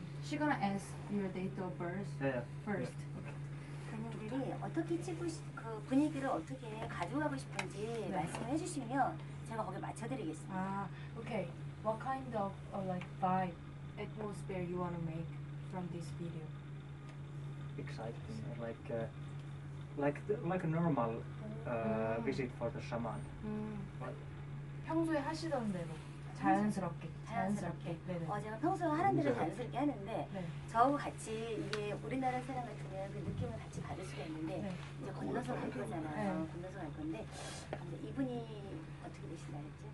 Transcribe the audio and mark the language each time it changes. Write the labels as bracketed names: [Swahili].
[English] She gonna ask your date of birth first. Yeah. [Korean] 분위기를 어떻게 찍고 그 분위기를 어떻게 가져가고 싶은지 네. 말씀해 주시면 제가 거기에 맞춰 드리겠습니다. 아, okay. [English] What kind of like vibe atmosphere you want to make from this video? Excited. Mm-hmm. Like like a normal visit for the shaman. Mm-hmm. [Korean] 평소에 하시던 대로 자연스럽게 자연스럽게. 제가 평소에 하는 대로 자연스럽게 하는데 네. 저하고 같이 이게 우리나라 사람 같으면 그 느낌을 같이 받을 수가 있는데 네. 이제 건너서 갈 거잖아요. 네. 건너서 갈 건데 이분이 어떻게 되신다 했죠?